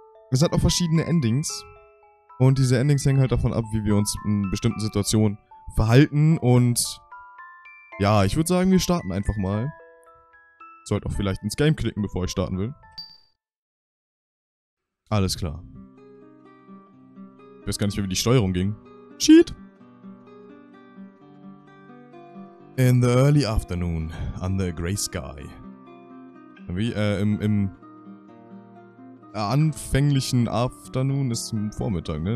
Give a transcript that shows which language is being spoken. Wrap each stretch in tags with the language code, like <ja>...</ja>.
<de>Es hat auch verschiedene Endings. Und diese Endings hängen halt davon ab, wie wir uns in bestimmten Situationen verhalten. Und ja, ich würde sagen, wir starten einfach mal. Sollte auch vielleicht ins Game klicken, bevor ich starten will. Alles klar. Ich weiß gar nicht mehr, wie die Steuerung ging. Cheat!</de> <en>In the early afternoon, under a grey sky.</en> <de>Wie? Im anfänglichen Afternoon ist Vormittag, ne?</de>